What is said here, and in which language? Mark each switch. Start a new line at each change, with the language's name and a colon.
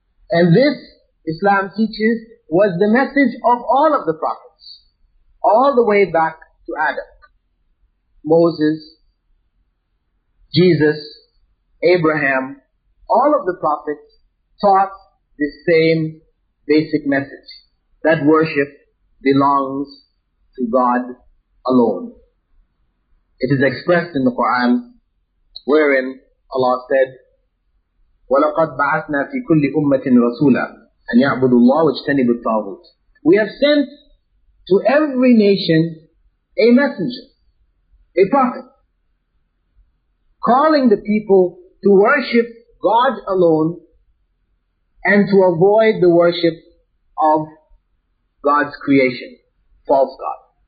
English: And this, Islam teaches, was the message of all of the prophets, all the way back to Adam, Moses, Jesus, Abraham. All of the prophets taught the same basic message, that worship belongs to God alone. It is expressed in the Quran, wherein Allah said,
Arabic: وَلَقَدْ بَعَثْنَا فِي كُلِّ أُمَّةٍ رَسُولًا أَنْ يَعْبُدُ اللَّهُ وَاجْتَنِبُ الطَّاغُوتِ.
English: We have sent to every nation a messenger, a prophet, calling the people to worship God alone and to avoid the worship of God's creation, false God.